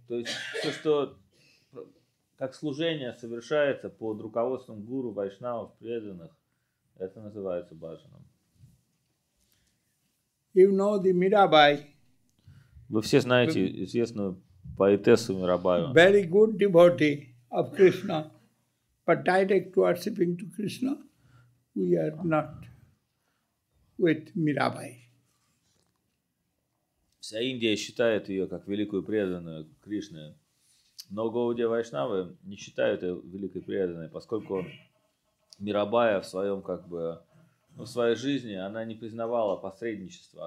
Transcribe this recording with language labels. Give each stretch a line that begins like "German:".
Russian: То есть то, что как служение совершается под руководством гуру, вайшнавов, преданных, это называется бхаджаном.
English: You know the Mirabai.
Russian: Вы все знаете известную поэтессу Мирабаю.
English: Very good devotee of Krishna, but direct worshipping to Krishna, we are not. With Mirabai.
Russian: Вся Индия считает ее как великую преданную Кришны. Но Гаудия Вайшнавы не считают ее великой преданной, поскольку Мирабая в своем, как бы, ну, в своей жизни она не признавала посредничество.